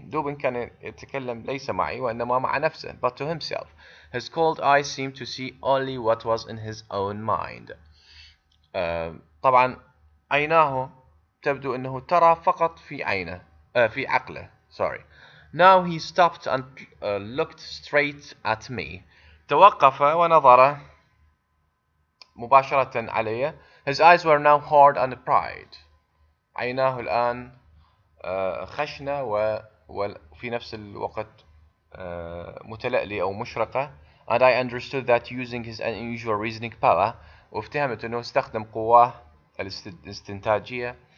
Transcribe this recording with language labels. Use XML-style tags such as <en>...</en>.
<ar>دوبن كان يتكلم ليس معي وإنما مع نفسه.</ar> <en>But to himself. His cold eyes seemed to see only what was in his own mind.</en> <ar>طبعا عيناه تبدو أنه ترى فقط في عينه في عقله.</ar> <en>Sorry. Now he stopped and looked straight at me.</en> <ar>توقف ونظر مباشرة علي.</ar> <en>His eyes were now hard and bright.</en> <ar>عيناه الآن خشنة وفي نفس الوقت متلألي أو مشرقة.</ar> <en>And I understood that using his unusual reasoning power.</en> <ar>وافتهمت أنه استخدم قواه الاستنتاجية.</ar>